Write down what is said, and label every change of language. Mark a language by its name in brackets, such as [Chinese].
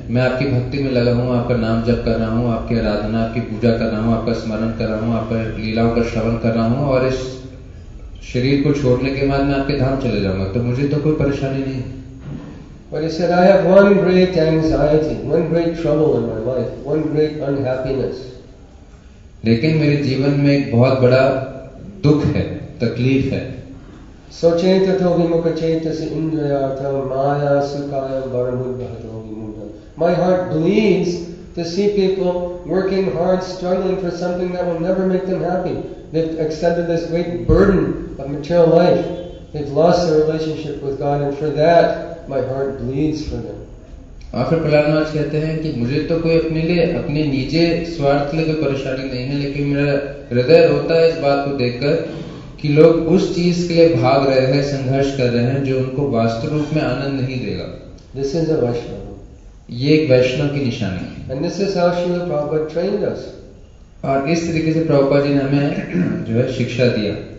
[Hindi] Main aapki bhakti mein laga hoon, aapka naam jap kar raha hoon, aapki aradhana, aapki puja kar raha hoon, aapka smaran kar raha hoon, aapka leelaon ka shravan kar raha hoon, aur is शरीर को छोड़ने के बाद मैं आपके धाम चले जाऊंगा, तो मुझे तो कोई परेशानी नहीं. [English] But he said, I have one great anxiety, one great trouble in my life, one great unhappiness. [Hindi] लेकिन मेरे जीवन में एक बहुत बड़ा दुख है, तकलीफ है. सोचें तो विमुख चेत से इंद्रिया था माया सुकाय बरमुद भतो विमुद. [English] My heart bleeds to see people working hard, struggling for something that will never make them happy. They've accepted this great burden of material life. They've lost their relationship with God, and for that, my heart bleeds for them. After [Hindi] Prahlad Maharaj कहते हैं कि मुझे तो कोई अपने लिए अपने निजे स्वार्थ लेकर परेशानी नहीं है, लेकिन मेरा हृदय रोता है इस बात को देखकर कि लोग उस चीज के लिए भाग रहे हैं, संघर्ष कर रहे हैं, जो उनको वास्तव रूप में आनंद नहीं देगा. [English] This is a Vaishnava. [Hindi] ये एक वैष्णव की निशानी है. [English] And this is how Srila Prabhupada trained us. [Hindi] और इस तरीके से प्रभुपाद जी ने हमें जो है शिक्षा दिया.